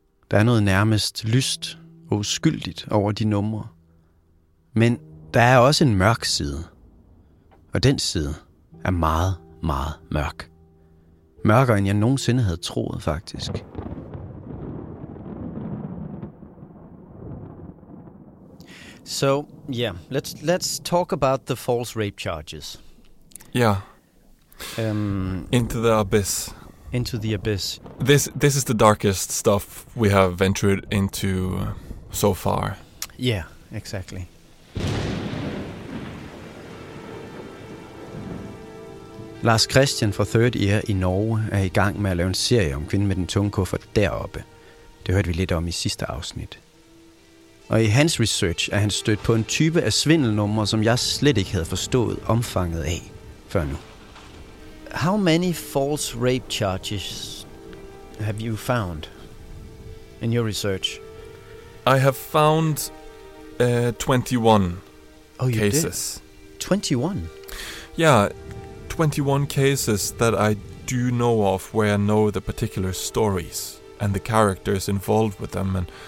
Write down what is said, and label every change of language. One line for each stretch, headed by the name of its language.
Danish: Der er noget nærmest lyst og uskyldigt over de numre. Men der er også en mørk side. Og den side er meget, meget mørk. Mørkere end jeg nogensinde havde troet, faktisk.
English: So, yeah, let's talk about the false rape charges. Yeah. Into the abyss. Into the abyss. This is the darkest stuff we have ventured into so far. Yeah, exactly.
Danish: Lars Christian fra Third Ear i Norge er i gang med at lave en serie om kvinden med den tunge kuffert deroppe. Det hørte vi lidt om i sidste afsnit. Og i hans research er han stødt på en type af svindelnumre, som jeg slet ikke havde forstået omfanget af før nu.
English: How many false rape charges have you found in your research? I have found 21 oh, you cases. Did? 21? Yeah, 21 cases that I do know of where I know the particular stories and the characters involved with them and...